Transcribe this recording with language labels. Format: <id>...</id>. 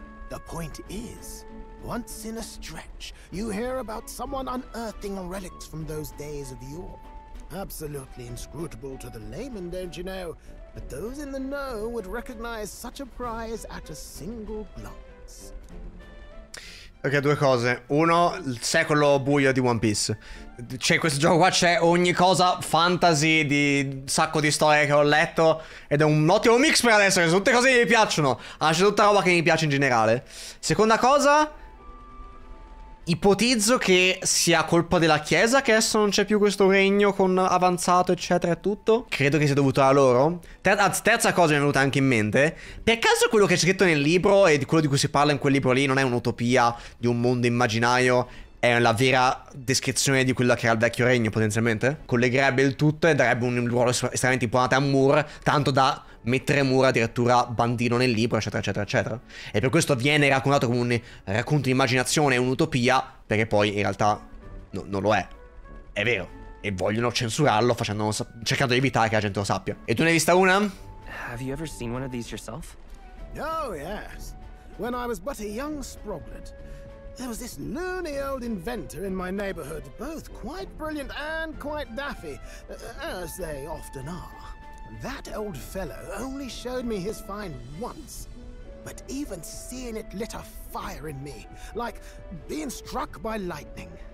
<en>The point is, once in a stretch, you hear about someone unearthing relics from those days of yore. Absolutely inscrutable to the layman, don't you know? But those in the know would recognize such a prize at a single glance.</en> <it>Ok, due cose. Uno, il secolo buio di One Piece. C'è questo gioco qua, c'è ogni cosa fantasy di sacco di storie che ho letto. Ed è un ottimo mix per adesso, che sono tutte cose che mi piacciono. Ah, c'è tutta roba che mi piace in generale. Seconda cosa, ipotizzo che sia colpa della chiesa che adesso non c'è più questo regno con avanzato eccetera e tutto. Credo che sia dovuto a loro. Terza cosa mi è venuta anche in mente. Per caso quello che c'è scritto nel libro e di quello di cui si parla in quel libro lì non è un'utopia di un mondo immaginario, è la vera descrizione di quello che era il vecchio regno potenzialmente? Collegherebbe il tutto e darebbe un ruolo estremamente importante a Moore, tanto da mettere Moore addirittura bandino nel libro eccetera eccetera eccetera, e per questo viene raccontato come un racconto di immaginazione, un'utopia, perché poi in realtà non lo è, è vero, e vogliono censurarlo cercando di evitare che la gente lo sappia. E tu ne hai vista una?</it> <en>Have you ever seen one of these yourself? Oh yes, when I was but a young sproglet, there was this loony old inventor in my neighborhood, both quite brilliant and quite daffy, as they often are. That old fellow only showed me his find once, but even seeing it lit a fire in me, like being struck by lightning.</en>